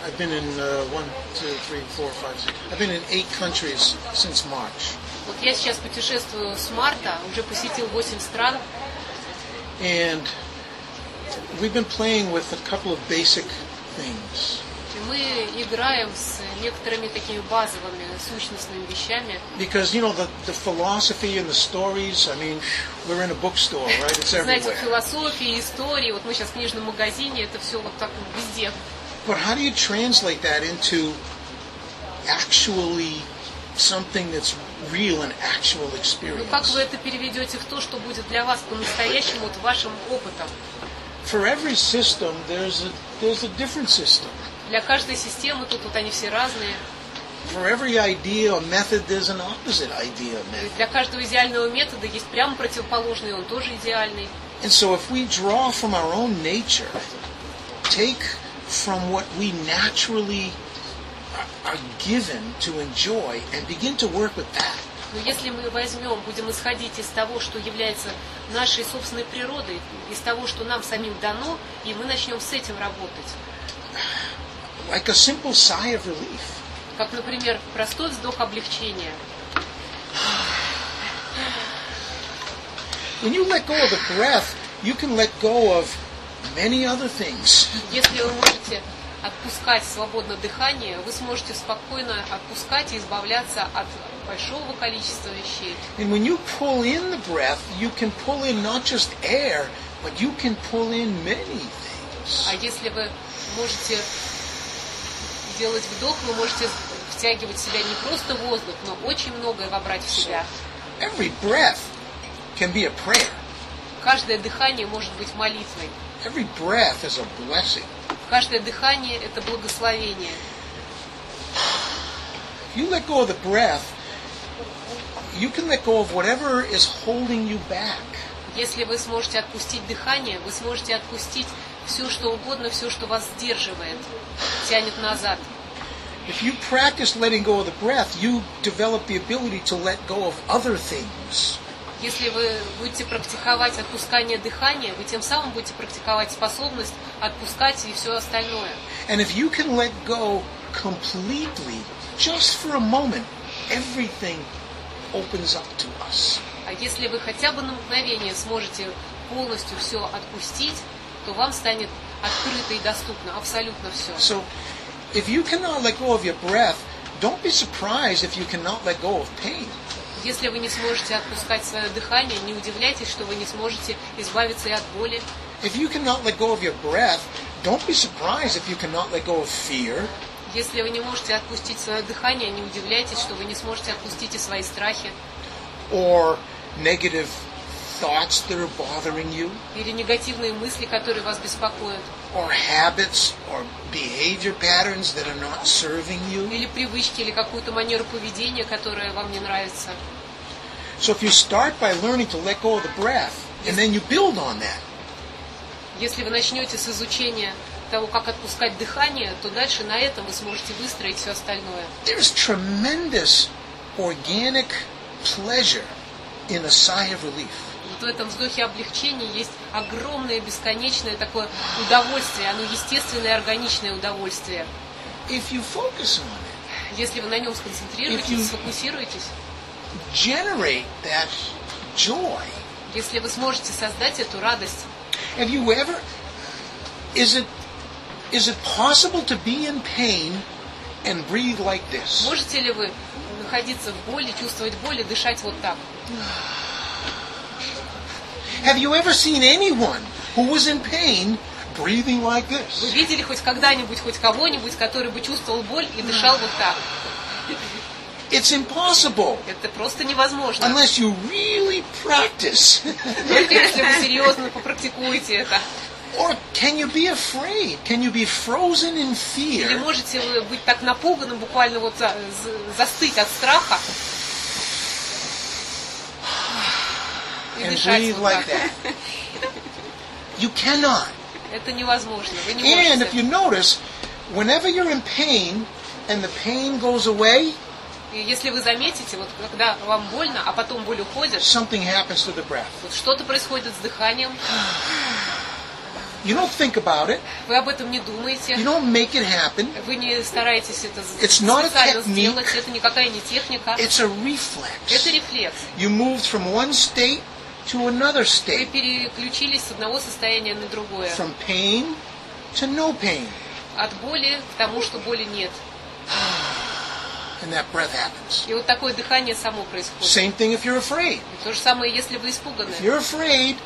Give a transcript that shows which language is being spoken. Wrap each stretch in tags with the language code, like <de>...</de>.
<en>I've been in 1, 2, 3, 4, 5, 6. I've been in 8 countries since March.</en> <ru>Вот я сейчас путешествую с марта, уже посетил 8 стран.</ru> <en>And we've been playing with a couple of basic things.</en> <ru>Мы играем с некоторыми такими базовыми сущностными вещами.</ru> <en>Because, you know, the philosophy and the stories, I mean, we're in a bookstore, right? It's everywhere.</en> <ru>Знаете, философии, истории, вот мы сейчас в книжном магазине, это все вот так везде.</ru> <en>But how do you translate that into actually something that's real and actual experience?</en> <ru>Ну, как вы это переведете в то, что будет для вас по-настоящему, вот вашим опытом?</ru> <en>For every system, there's a different system.</en> <ru>Для каждой системы тут вот они все разные.</ru> <en>For every idea or method, there's an opposite idea or method.</en> <ru>Для каждого идеального метода есть прямо противоположный, он тоже идеальный.</ru> <en>And so if we draw from our own nature, take from what we naturally are given to enjoy and begin to work with that.</en> <ru>Но если мы возьмем, будем исходить из того, что является нашей собственной природой, из того, что нам самим дано, и мы начнем с этим работать.</ru> <en>Like a simple sigh of relief.</en> <ru>Как, например, простой вздох облегчения.</ru> <en>When you let go of the breath, you can let go of many other things.</en> <ru>Если вы можете отпускать свободно дыхание, вы сможете спокойно отпускать и избавляться от большого количества вещей.</ru> <en>And when you pull in the breath, you can pull in not just air, but you can pull in many things.</en> <ru>А если вы можете делать вдох, вы можете втягивать в себя не просто воздух, но очень многое вобрать в себя.</ru> <en>Every breath can be a prayer.</en> <ru>Каждое дыхание может быть молитвой.</ru> <en>Every breath is a blessing.</en> <ru>Каждое дыхание – это благословение.</ru> <en>You let go of the breath, you can let go of whatever is holding you back.</en> <ru>Если вы сможете отпустить дыхание, вы сможете отпустить все, что угодно, все, что вас сдерживает, тянет назад.</ru> <en>If you practice letting go of the breath, you develop the ability to let go of other things.</en> <ru>Если вы будете практиковать отпускание дыхания, вы тем самым будете практиковать способность отпускать и все остальное.</ru> <en>And if you can let go completely, just for a moment, everything opens up to us.</en> <ru>А если вы хотя бы на мгновение сможете полностью все отпустить, то вам станет открыто и доступно абсолютно все.</ru> <en>So, if you cannot let go of your breath, don't be surprised if you cannot let go of pain.</en> <ru>Если вы не сможете отпускать свое дыхание, не удивляйтесь, что вы не сможете избавиться и от боли.</ru> <en>If you cannot let go of your breath, don't be surprised if you cannot let go of fear.</en> <ru>Если вы не можете отпустить свое дыхание, не удивляйтесь, что вы не сможете отпустить и свои страхи.</ru> <en>Or negative thoughts that are bothering you.</en> <ru>Или негативные мысли, которые вас беспокоят.</ru> <en>Or habits or behavior patterns that are not serving you.</en> <ru>Или привычки, или какую-то манеру поведения, которая вам не нравится.</ru> <en>So if you start by learning to let go of the breath, and then you build on that.</en> <ru>Если вы начнете с изучения того, как отпускать дыхание, то дальше на этом вы сможете выстроить все остальное.</ru> <en>There's tremendous organic pleasure in a sigh of relief.</en> <ru>Вот в этом вздохе облегчения есть огромное бесконечное такое удовольствие, оно естественное, органичное удовольствие.</ru> <en>If you focus on it,</en> <ru>если вы на нем сконцентрируетесь, сфокусируетесь,</ru> <en>generate that joy.</en> <ru>Если вы сможете создать эту радость.</ru> <en>Have you ever? Is it possible to be in pain and breathe like this?</en> <ru>Можете ли вы находиться в боли, чувствовать боль и дышать вот так?</ru> <en>Have you ever seen anyone who was in pain breathing like this?</en> <ru>Вы видели хоть когда-нибудь хоть кого-нибудь, который бы чувствовал боль и дышал вот так?</ru> <en>It's impossible.</en> <ru>Это просто невозможно.</ru> <en>Unless you really practice.</en> <ru>Только если вы серьезно попрактикуете это.</ru> <en>Or can you be afraid? Can you be frozen in fear?</en> <ru>Или можете вы быть так напуганным, буквально вот застыть от страха? И</ru> <en>and breathe</en> <ru>вот</ru> <en>like</en> <ru>так.</ru> <en>That. You cannot.</en> <ru>Это невозможно. Вы не</ru> <en>and</en> <ru>можете.</ru> <en>And if you notice, whenever you're in pain and the pain goes away,</en> <ru>и если вы заметите, вот когда вам больно, а потом боль уходит,</ru> <en>something happens to the breath.</en> <ru>Вот что-то происходит с дыханием.</ru> <en>You don't think about it.</en> <ru>Вы об этом не думаете.</ru> <en>You don't make it happen.</en> <ru>Вы не стараетесь это</ru> <en>it's not a technique.</en> <ru>Сделать. Это никакая не техника.</ru> <en>It's a reflex.</en> <ru>Это рефлекс.</ru> <en>You moved from one state to another state.</en> <ru>Вы переключились с одного состояния на другое.</ru> <en>From pain to no pain.</en> <ru>От боли к тому, что боли нет.</ru> <en>And that breath happens.</en> <ru>И вот такое дыхание само происходит.</ru> <en>Same thing if you're afraid.</en> <ru>И то же самое, если вы испуганы.</ru> <en>If you're afraid,</en>